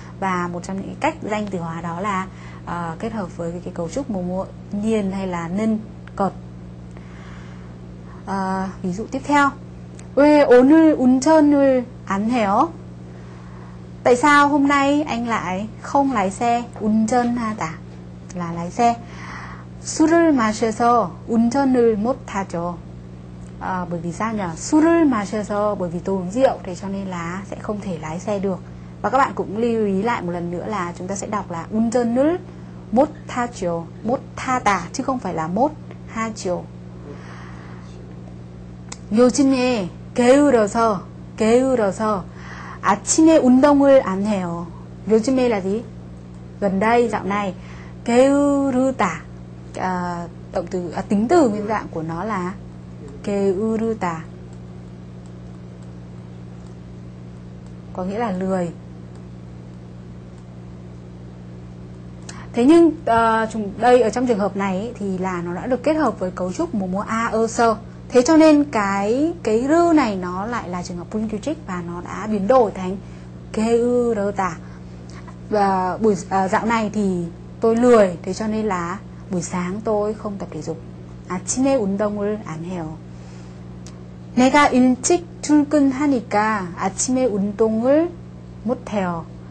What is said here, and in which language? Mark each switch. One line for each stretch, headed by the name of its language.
Vietnamese: Và một trong những cách danh từ hóa đó là kết hợp với cái cấu trúc mồm nhiên hay là nên cột. Ví dụ tiếp theo.
Korean: 왜 오늘 운전을 안 해요?
Vietnamese: Tại sao hôm nay anh lại không lái xe? 운전하다 là lái xe.
Korean: 술을 마셔서 운전을 못하죠.
Vietnamese: Bởi vì sao nhỉ?
Korean: 술을 마셔서,
Vietnamese: bởi vì tôi uống rượu thì cho nên là sẽ không thể lái xe được. Và các bạn cũng lưu ý lại một lần nữa là chúng ta sẽ đọc là
Korean: 운전을 못하죠,
Vietnamese: 못하다 chứ không phải là 못하죠.
Korean: 요즘에 게으러서, 게으러서 아침에 운동을 안 해요.
Vietnamese: 요즘에 là gì? Gần đây, dạo này. 게으르다. Động từ tính từ nguyên dạng của nó là 게으르다. Có nghĩa là lười. Thế nhưng đây ở trong trường hợp này ấy, thì là nó đã được kết hợp với cấu trúc mồm a ơ sơ. Thế cho nên cái rư này nó lại là trường hợp punctuatric và nó đã biến đổi thành 게으르다. Và buổi dạo này thì tôi lười, thế cho nên là buổi sáng tôi không tập thể dục.
Korean: 아침에 운동을 안 해요. 내가 일찍 출근하니까 아침에 운동을 못 해요.